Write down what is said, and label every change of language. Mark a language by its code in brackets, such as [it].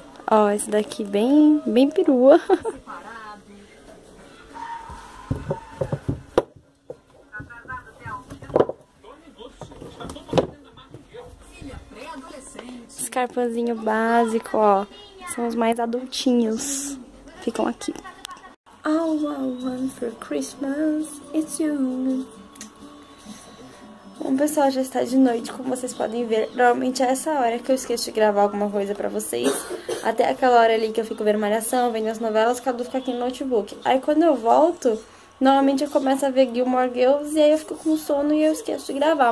[pt] Ó, esse daqui bem, bem perua. Escarpãozinho básico, ó. São os mais adultinhos. Ficam aqui. [en] All I want for Christmas, it's you. [pt] Bom, pessoal, já está de noite, como vocês podem ver. Normalmente é essa hora que eu esqueço de gravar alguma coisa pra vocês. Até aquela hora ali que eu fico vendo Malhação, vendo as novelas, o Cadu fica aqui no notebook. Aí quando eu volto, normalmente eu começo a ver Gilmore Girls e aí eu fico com sono e eu esqueço de gravar.